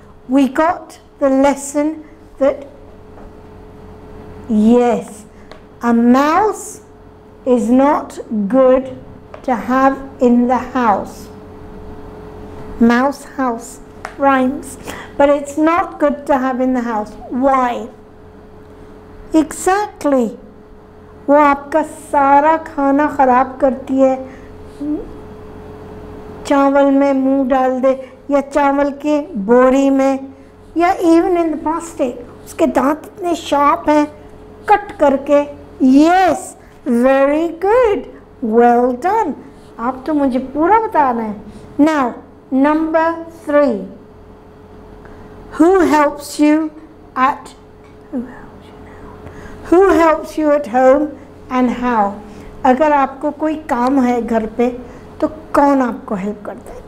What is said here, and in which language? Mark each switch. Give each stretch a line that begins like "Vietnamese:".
English: We got the lesson that, yes, a mouse is not good to have in the house. Mouse house. Rhymes, but it's not good to have in the house. Why? Exactly.
Hindi: वो आपका सारा खाना खराब करती है. चावल में मुंह डाल दे, या चावल के बोरी में, या
English: even in the plastic.
Hindi: उसके दांत इतने sharp हैं, cut करके.
English: Yes, very good. Well done.
Hindi: आप तो मुझे पूरा बता रहे हैं.
English: Now, number 3. Who helps you at home and how?
Hindi: अगर आपको कोई काम है घर पे तो कौन आपको हेल्प करता है?